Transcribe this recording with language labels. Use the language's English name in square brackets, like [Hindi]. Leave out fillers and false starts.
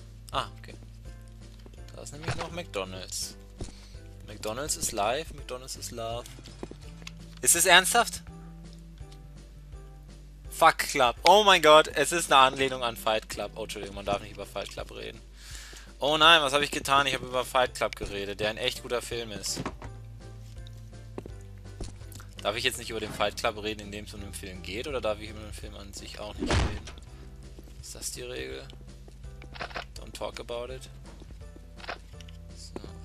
[German] Ah, okay. Da ist nämlich noch McDonald's. [English] McDonald's is life, McDonald's is love. [German] Ist es ernsthaft? [English] Fuck Club. [German] Oh mein Gott, es ist eine Anlehnung an Fight Club. Oh, Entschuldigung, man darf nicht über Fight Club reden. Oh nein, was habe ich getan? Ich habe über Fight Club geredet, der ein echt guter Film ist. Darf ich jetzt nicht über den Fight Club reden, in dem es um den Film geht? Oder darf ich über den Film an sich auch nicht reden? Ist das die Regel? [English] Don't talk about it. [German] So.